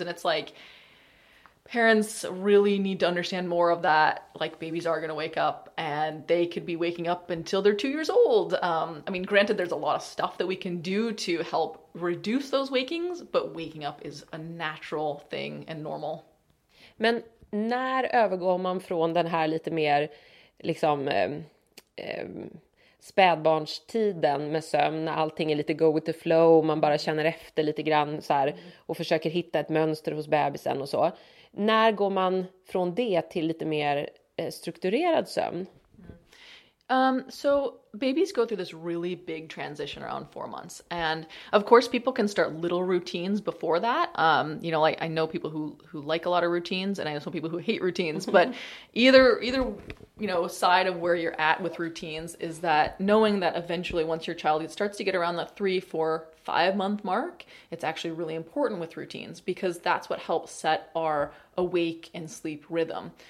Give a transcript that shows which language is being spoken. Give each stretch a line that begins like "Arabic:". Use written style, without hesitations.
English: And it's like, parents really need to understand more of that. Like, babies are going to wake up and they could be waking up until they're 2 years old. I mean, granted, there's a lot of stuff that we can do to help reduce those wakings, but waking up is a natural thing and normal.
Swedish: Men när övergår man från den här lite mer liksom spädbarnstiden med sömn, när allting är lite
English: go with the flow,
Swedish: man bara känner efter lite grann så här, och försöker hitta ett mönster hos bebisen och så. När går man från det till lite mer strukturerad sömn.
English: So babies go through this really big transition around 4 months. And of course, people can start little routines before that. You know, I know people who like a lot of routines, and I know some people who hate routines. But either you know, side of where you're at with routines is that knowing that eventually once your child starts to get around the 3, 4, 5 month mark, it's actually really important with routines, because that's what helps set our awake and sleep rhythm.